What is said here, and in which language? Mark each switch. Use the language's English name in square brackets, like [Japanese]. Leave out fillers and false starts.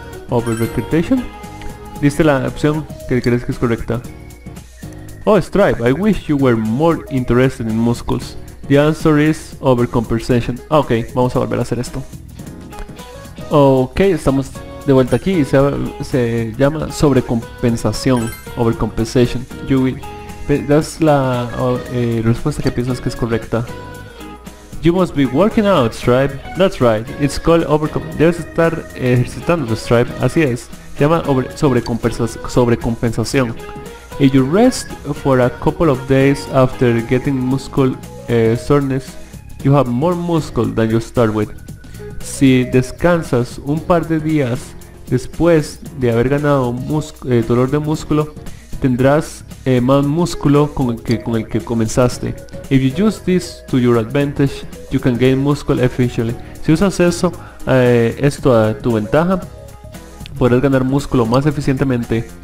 [Spanish] Over recrutation. ¿Diste la opción que crees que es correcta? [English] Oh, Stripe, I wish you were more interested in muscles. The answer is overcompensation. [Spanish] Ah, ok, vamos a volver a hacer esto. Ok, estamos de vuelta aquí. Se llama sobrecompensación. Overcompensation. Das la respuesta que piensas que es correcta. [English] You must be working out, Stripe. That's right. It's called overcompensation. [Spanish] Debes estar ejercitando, Stripe. Así es. Se llama sobrecompensación. [English] If you rest for a couple of days after getting muscle soreness, you have more muscle than you start with. [Spanish] Si descansas un par de días después de haber ganado dolor de músculo, tendrás más músculo con el que comenzaste. [English] If you use this to your advantage, you can gain muscle efficiently. [Spanish] Si usas esto a tu ventaja, podrás ganar músculo más eficientemente.